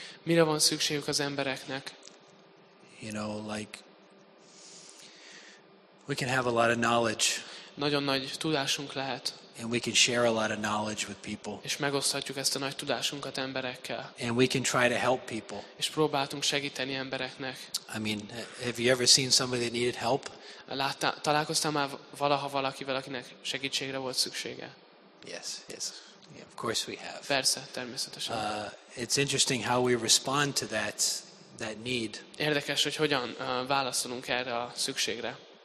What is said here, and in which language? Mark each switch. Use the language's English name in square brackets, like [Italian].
[Hungarian] Mire van szükségük az embereknek? [English] You know, like we can have a lot of knowledge. [Hungarian] Nagyon nagy tudásunk lehet. [English] And we can share a lot of knowledge with people. [Hungarian] És megoszthatjuk ezt a nagy tudásunkat emberekkel. [English] And we can try to help people. [Hungarian] És próbáltunk segíteni embereknek. [English] I mean, have you ever seen somebody that needed help? [Hungarian] Találkoztam már valaha valakivel, akinek segítségre volt szüksége? [English] Yes, yes. Yeah, of course we have. [Hungarian] Persze, természetesen. [English] It's interesting how we respond to that need. [Hungarian] Érdekes, hogy hogyan válaszolunk erre a szükségre.